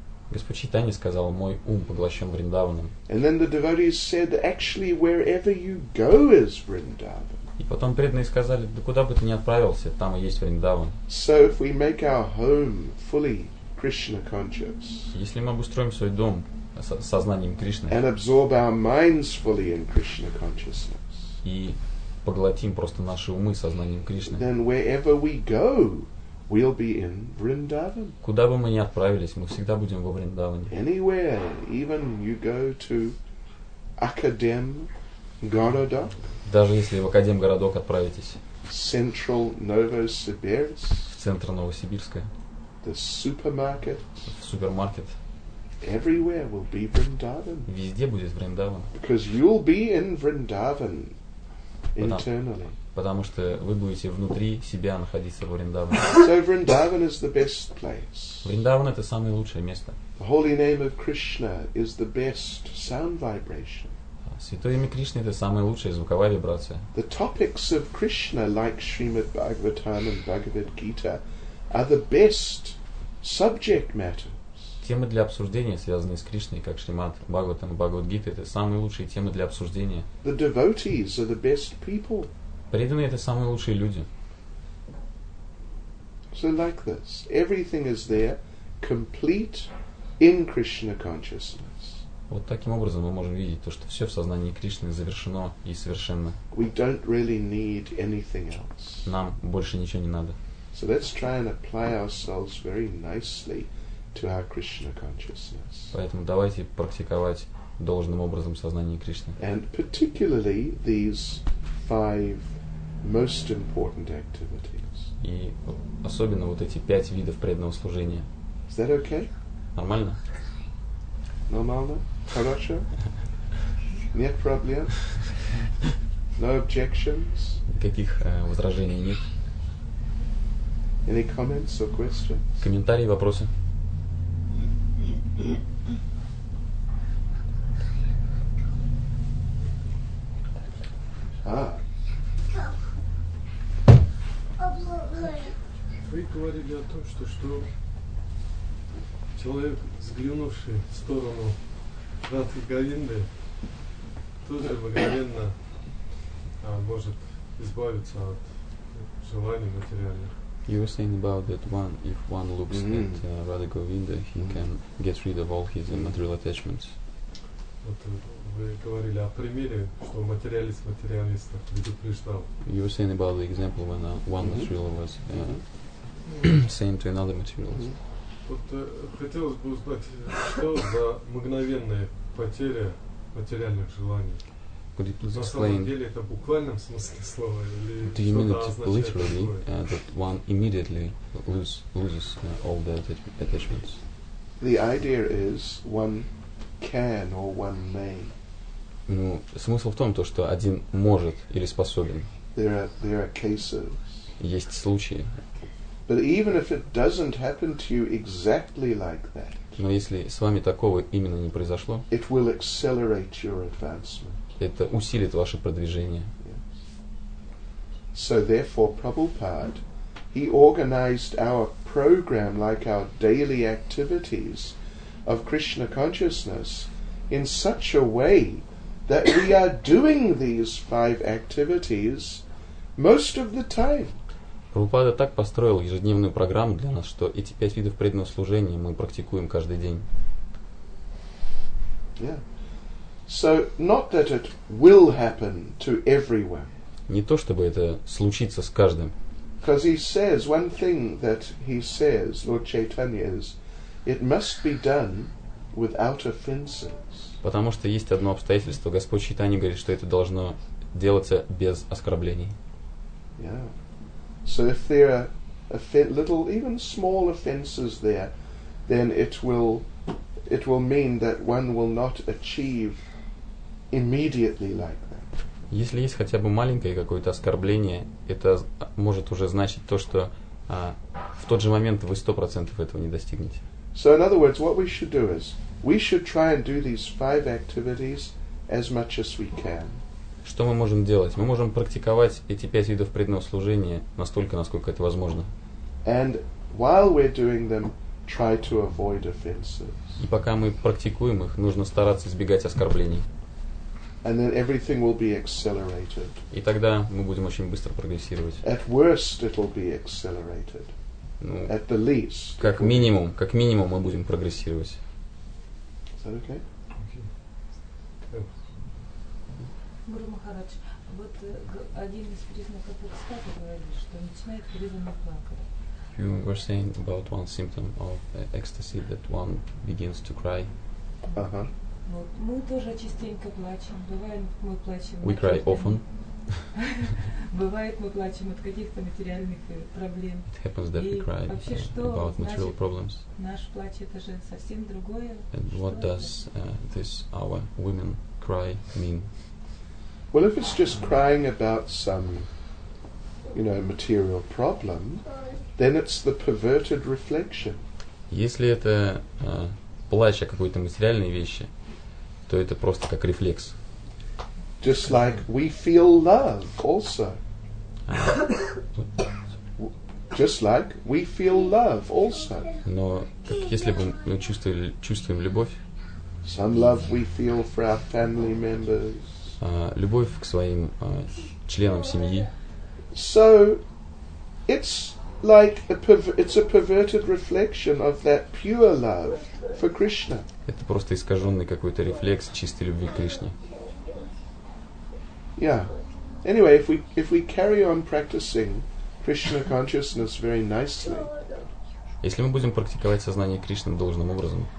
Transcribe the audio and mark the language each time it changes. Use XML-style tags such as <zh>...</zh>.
<ru>Господь Чайтанья сказал, мой ум поглощен Вриндаваном.</ru> <en>And then the devotees said, actually, wherever you go is Vrindavan.</en> <ru>И потом преданные сказали, да куда бы ты ни отправился, там и есть Вриндаван.</ru> <en>So if we make our home fully Krishna conscious.</en> <ru>Если мы обустроим свой дом сознанием Кришны.</ru> <en>And absorb our minds fully in Krishna consciousness.</en> <ru>И поглотим просто наши умы сознанием Кришны.</ru> <en>Then wherever we go, we'll be in Vrindavan.</en> <ru>Куда бы мы ни отправились, мы всегда будем во Вриндаване.</ru> <en>Anywhere, even you go to Akadem Gorodok.</en> <ru>Даже если в Академ городок отправитесь.</ru> <en>Central Novosibirsk.</en> <ru>В центр Новосибирска.</ru> <en>The supermarket.</en> <ru>В супермаркет.</ru> <en>Everywhere will be Vrindavan.</en> <ru>Везде будет Вриндаван.</ru> <en>Because you'll be in Vrindavan internally.</en> <ru>Потому что вы будете внутри себя находиться в Вриндаване.</ru> <en>So Vrindavan is the best place.</en> <ru>Вриндаван это самое лучшее место.</ru> <en>The holy name of Krishna is the best sound vibration.</en> <ru>Святое имя Кришны это самая лучшая звуковая вибрация.</ru> <en>The topics of Krishna, like Srimad Bhagavatam and Bhagavad Gita, are the best subject matter.</en> <ru>Темы для обсуждения, связанные с Кришной, как Шримад Бхагаватам и Бхагавад-гита, это самые лучшие темы для обсуждения.</ru> <en>The devotees are the best people.</en> <ru>Преданные это самые лучшие люди.</ru> <en>So like this, everything is there, complete in Krishna consciousness.</en> <ru>Вот таким образом мы можем видеть то, что все в сознании Кришны завершено и совершенно.</ru> <en>We don't really need anything else.</en> <ru>Нам больше ничего не надо.</ru> <en>So let's try and apply ourselves very nicely to our Krishna consciousness.</en> <ru>Поэтому давайте практиковать должным образом сознание Кришны.</ru> <en>And particularly these five most important activities.</en> <ru>И особенно вот эти пять видов преданного служения.</ru> <en>Is that okay?</en> <ru>Нормально? Нормально? Хорошо? Нет проблем?</ru> <en>No objections?</en> <ru>Никаких возражений нет.</ru> <en>Any comments or questions?</en> <ru>Комментарии, вопросы? Вы говорили о том, что человек, взглянувший в сторону Радхи Говинды, тут же мгновенно может избавиться от желаний материальных.</ru> <en>You were saying about that one, if one looks at Radha Govinda, he can get rid of all his material attachments. You were saying about the example when one material was same to another materialist. Could you please explain? Do you mean it literally that one immediately loses all the attachments? The idea is one can or one may.</en> <ru>Ну, смысл в том, то что один может или способен.</ru> <en>There are cases.</en> <ru>Есть случаи.</ru> <en>But even if it doesn't happen to you exactly like that.</en> <ru>Но если с вами такого именно не произошло.</ru> <en>It will accelerate your advancement.</en> <ru>Это усилит ваше продвижение.</ru> <en>So therefore, Prabhupada, he organized our program, like our daily activities of Krishna consciousness, in such a way that we are doing these five activities most of the time.</en> <ru>Прабхупада так построил ежедневную программу для нас, что эти пять видов преданного служения мы практикуем каждый день.</ru> <en>Yeah. So not that it will happen to everyone.</en> <ru>Не то чтобы это случится с каждым.</ru> <en>Because he says one thing that he says, Lord Chaitanya, is it must be done without offenses.</en> <ru>Потому что есть одно обстоятельство, Господь Чайтанья говорит, что это должно делаться без оскорблений.</ru> <en>Yeah. So if there are little, even small offenses there, then it will mean that one will not achieve immediately like that.</en> <ru>Если есть хотя бы маленькое какое-то оскорбление, это может уже значить то, что в тот же момент вы 100% этого не достигнете.</ru> <en>So in other words, what we should do is we should try and do these five activities as much as we can.</en> <ru>Что мы можем делать? Мы можем практиковать эти пять видов преданного служения настолько, насколько это возможно.</ru> <en>And while we're doing them, try to avoid offenses.</en> <ru>И пока мы практикуем их, нужно стараться избегать оскорблений.</ru> <en>And then everything will be accelerated.</en> <ru>И тогда мы будем очень быстро прогрессировать.</ru> <en>At worst, it'll be accelerated.</en> <ru>Ну,</ru> <en>at the least.</en> <ru>Как минимум, мы будем прогрессировать.</ru> <en>Is that okay? Okay.</en> <ru>Гуру Махарадж, вот один из признаков экстаза говорит, что начинает преданно плакать.</ru> <en>You were saying about one symptom of ecstasy that one begins to cry. Uh-huh.</en> <ru>Мы тоже частенько плачем. Бывает, мы плачем.</ru> <en>We cry often.</en> <ru>Бывает, мы плачем от каких-то материальных проблем.</ru> <en>It happens that we cry about material problems.</en> <ru>Наш плач это же совсем другое.</ru> <en>And what does this our women cry mean? Well, if it's just crying about some, you know, material problem, then it's the perverted reflection.</en> <ru>Если это плач о какой-то материальной вещи, то это просто как рефлекс.</ru> <en>Just like we feel love also. Just like we feel love also.</en> <ru>Но как если бы мы чувствуем любовь.</ru> <en>Some love we feel for our family members.</en> <ru>Любовь к своим членам семьи.</ru> <en>So it's like it's a perverted reflection of that pure love for Krishna.</en> <ru>Это просто искаженный какой-то рефлекс чистой любви к Кришне.</ru> <en>Yeah. Anyway, if we carry on practicing Krishna consciousness very nicely.</en> <ru>Если мы будем практиковать сознание Кришны должным образом.</ru>